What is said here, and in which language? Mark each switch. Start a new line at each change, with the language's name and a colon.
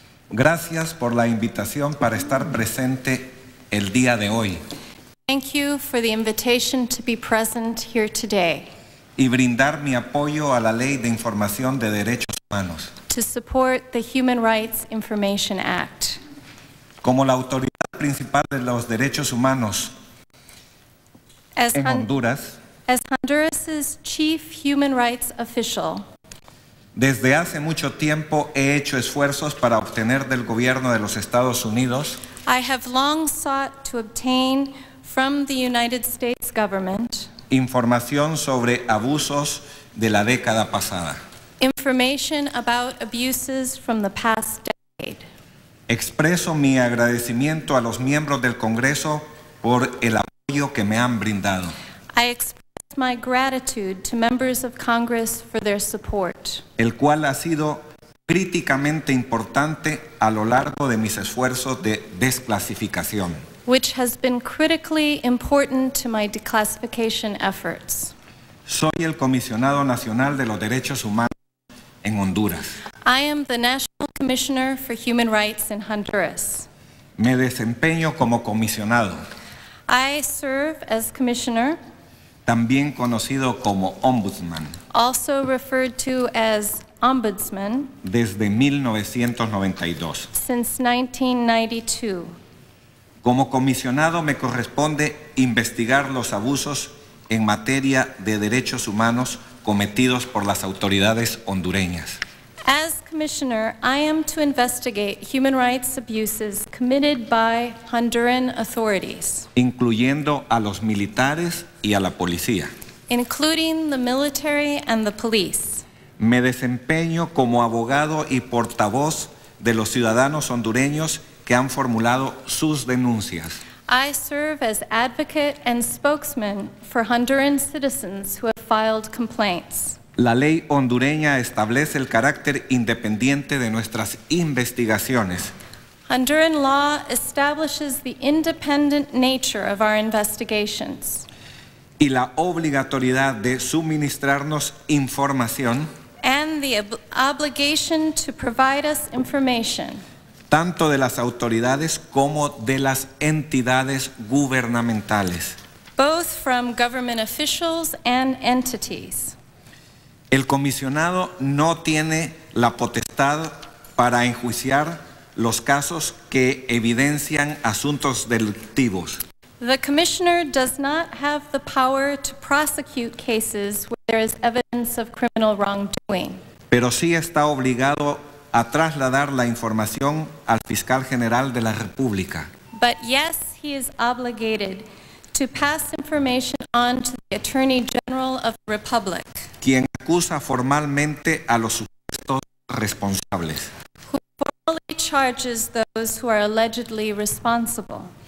Spanish: Gracias por la invitación para estar presente el día de hoy.
English: Thank you for the invitation to be present here today.
Spanish: Y brindar mi apoyo a la Ley de Información de Derechos Humanos.
English: To support the Human Rights Information Act.
Spanish: Como la autoridad principal de los derechos humanos en Honduras.
English: As Honduras's chief human rights official.
Spanish: Desde hace mucho tiempo he hecho esfuerzos para obtener del gobierno de los Estados Unidos.
English: I have long sought to obtain from the United States government.
Spanish: información sobre abusos de la década pasada.
English: Information about abuses from the past decade.
Spanish: Expreso mi agradecimiento a los miembros del Congreso por el apoyo que me han brindado.
English: I express my gratitude to members of Congress for their support.
Spanish: El cual ha sido críticamente importante a lo largo de mis esfuerzos de desclasificación.
English: Which has been critically important to my declassification efforts.
Spanish: Soy el Comisionado Nacional de los Derechos Humanos en Honduras.
English: I am the National Commissioner for Human Rights in Honduras.
Spanish: Me desempeño como comisionado.
English: I serve as commissioner.
Spanish: También conocido como ombudsman.
English: Also referred to as ombudsman.
Spanish: Desde 1992.
English: Since 1992.
Spanish: Como comisionado me corresponde investigar los abusos en materia de derechos humanos cometidos por las autoridades hondureñas.
English: As commissioner, I am to investigate human rights abuses committed by Honduran authorities.
Spanish: Incluyendo a los militares y a la policía.
English: Including the military and the police.
Spanish: Me desempeño como abogado y portavoz de los ciudadanos hondureños que han formulado sus denuncias.
English: I serve as advocate and spokesman for Honduran citizens who have filed complaints.
Spanish: La ley hondureña establece el carácter independiente de nuestras investigaciones.
English: Honduran law establishes the independent nature of our investigations.
Spanish: Y la obligatoriedad de suministrarnos información.
English: And the obligation to provide us information.
Spanish: Tanto de las autoridades como de las entidades gubernamentales.
English: Both from government officials and entities.
Spanish: El comisionado no tiene la potestad para enjuiciar los casos que evidencian asuntos delictivos.
English: The commissioner does not have the power to prosecute cases where there is evidence of criminal wrongdoing.
Spanish: Pero sí está obligado a trasladar la información al fiscal general de la República.
English: But yes, he is obligated to pass information on to the Attorney General of the Republic.
Spanish: Quien acusa formalmente a los supuestos responsables.
English: Who formally charges those who are allegedly responsible.